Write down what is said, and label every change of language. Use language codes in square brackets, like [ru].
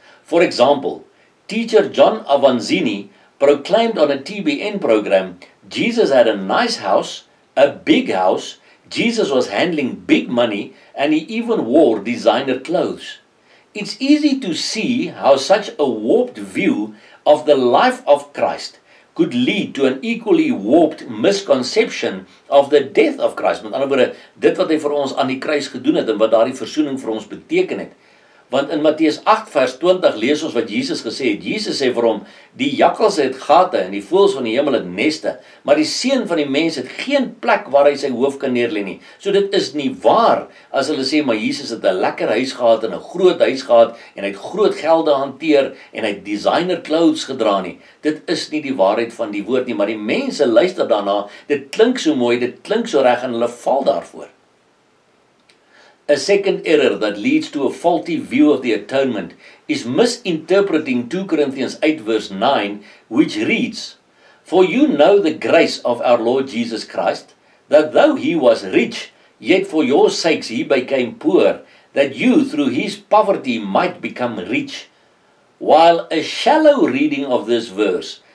[en] For example, teacher John Avanzini proclaimed on a TBN program, Jesus had a nice house, a big house, Jesus was handling big money, and he even wore designer clothes. It's easy to see how such a warped view of the life of Christ could lead to an equally warped misconception of the death of Christ. [af] Met ander woorde, dit wat hy vir ons aan die kruis gedoen het en wat daardie versoening vir ons beteken het. Want in Matteus 8 vers 20 lees ons wat Jesus gesê het. Jesus sê vir hom, die jakkals het gate en die voëls van die hemel het neste, maar die seun van die mens het geen plek waar hy sy hoof kan neerlê nie. So dit is nie waar as hulle sê, maar Jesus het 'n lekker huis gehad en 'n groot huis gehad en hy het groot gelde hanteer en hy het designer clothes gedra nie. Dit is nie die waarheid van die woord nie, maar die mense luister daarna, dit klink so mooi, dit klink so reg en hulle val daarvoor. [en] A second error that leads to a faulty view of the atonement is misinterpreting 2 Corinthians 8 verse 9, which reads, for you know the grace of our Lord Jesus Christ, that though he was rich, yet for your sakes he became poor, that you through his poverty might become rich. While a shallow reading of this verse